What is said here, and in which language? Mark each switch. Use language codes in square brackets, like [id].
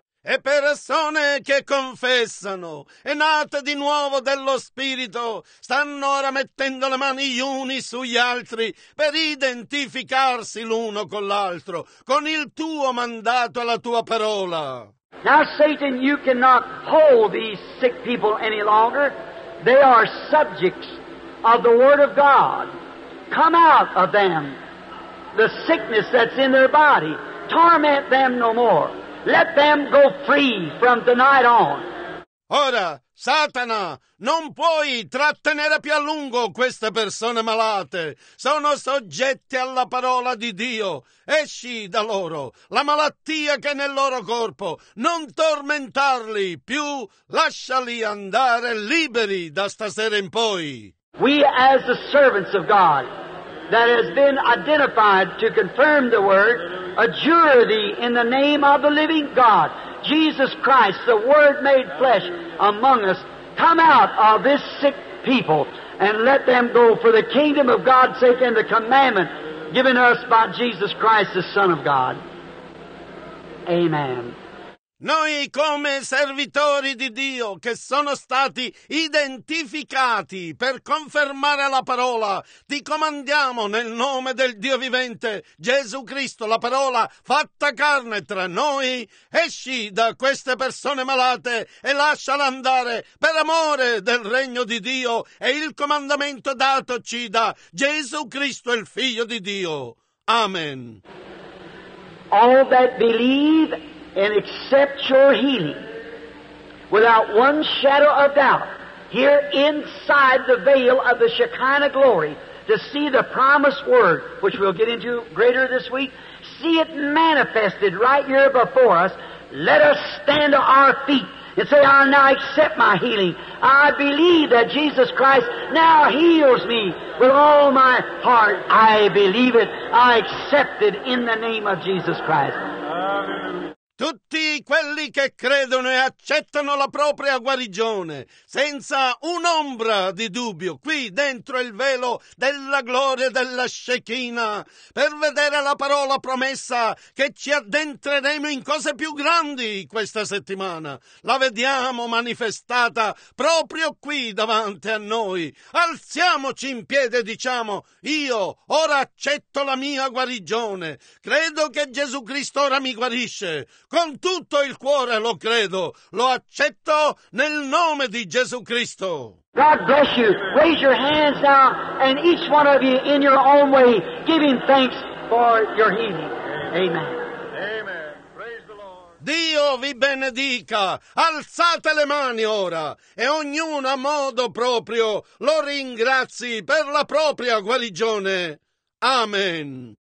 [it] E persone che confessano e nate di nuovo dello Spirito stanno ora mettendo le mani gli uni sugli altri per identificarsi l'uno con l'altro, con il tuo mandato e la tua parola. [en] Now, Satan, you cannot hold these sick people any longer. They are subjects of the Word of God. Come out of them, the sickness that's in their body. Torment them no more. Let them go free from tonight on. [it] Ora, Satana, non puoi trattenere più a lungo queste persone malate. Sono soggetti alla parola di Dio. Esci da loro. La malattia che è nel loro corpo. Non tormentarli più. Lasciali andare liberi da stasera in poi. [en] We as the servants of God that has been identified to confirm the word, adjure thee in the name of the living God, Jesus Christ, the Word made flesh among us, come out of this sick people and let them go for the kingdom of God's sake and the commandment given us by Jesus Christ, the Son of God. Amen. [it] Noi come servitori di Dio che sono stati identificati per confermare la parola, ti comandiamo nel nome del Dio vivente, Gesù Cristo, la parola fatta carne tra noi, esci da queste persone malate e lasciala andare per amore del regno di Dio e il comandamento datoci da Gesù Cristo, il Figlio di Dio. Amen. [en] All that believe and accept your healing without one shadow of doubt here inside the veil of the Shekinah glory to see the promised word, which we'll get into greater this week, see it manifested right here before us. Let us stand to our feet and say, I now accept my healing. I believe that Jesus Christ now heals me with all my heart. I believe it. I accept it in the name of Jesus Christ. Amen. [it] tutti quelli che credono e accettano la propria guarigione, senza un'ombra di dubbio, qui dentro il velo della gloria della Shekinah, per vedere la parola promessa che ci addentreremo in cose più grandi questa settimana. La vediamo manifestata proprio qui davanti a noi. Alziamoci in piedi e diciamo: io ora accetto la mia guarigione, credo che Gesù Cristo ora mi guarisce. Con tutto il cuore lo credo, lo accetto nel nome di Gesù Cristo. [en] God bless you. Raise your hands now, and each one of you in your own way, give him thanks for your healing. Amen. Amen. Amen. Praise the Lord. [it] Dio vi benedica. Alzate le mani ora, e ognuno a modo proprio lo ringrazi per la propria guarigione. Amen.